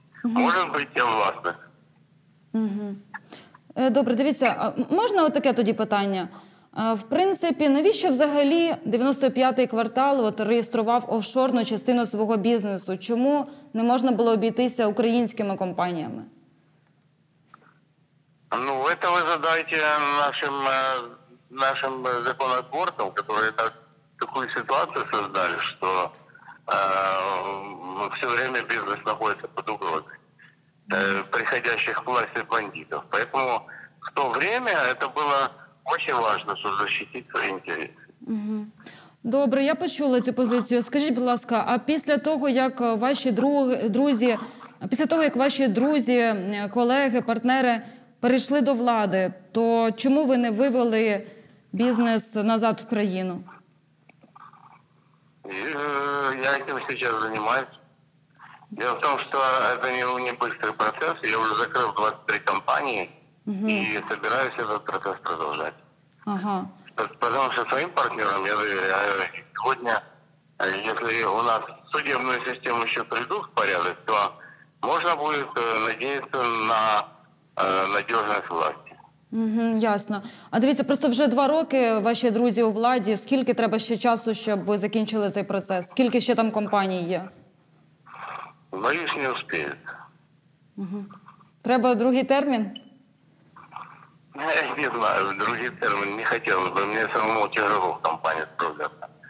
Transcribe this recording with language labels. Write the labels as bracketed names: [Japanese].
[Ukrainian] Може бути, я власник. Добре, дивіться, можна от таке тоді питання? В принципі, навіщо взагалі 95-й квартал от реєстрував офшорну частину свого бізнесу? Чому не можна було обійтися українськими компаніями? [Russian] Ну, это вы задайте нашим, нашим законотворцам, которые так, такую ситуацию создали, что все время бизнес находится под угрозой приходящих к власти бандитов. Поэтому в то время это было очень важно, чтобы защитить свои интересы. [Ukrainian] Добре, я почула цю позицію. Скажіть, будь ласка, а після того, як ваші друзі, після того, як ваші друзі, колеги, партнери перейшли до влади, то чому ви не вивели бізнес назад в країну? Я цим зараз займаюся. Дело в тому, що це не швидкий процес. Я вже закрив 23 компанії і збираюся цей процес продовжувати. Ага. [Russian] Потому что своим партнерам я доверяю. Сегодня, если у нас судебную систему еще придут в порядок, то можно будет надеяться на надежность власти. Ясно. [Ukrainian] А дивіться, просто вже два роки ваші друзі у владі. Скільки треба ще часу, щоб ви закінчили цей процес? Скільки ще там компаній є? Боюсь, не успіють. Треба другий термін? Я не знаю, другий термін не хотіло б. Мені самому тяжело в компанії справляти.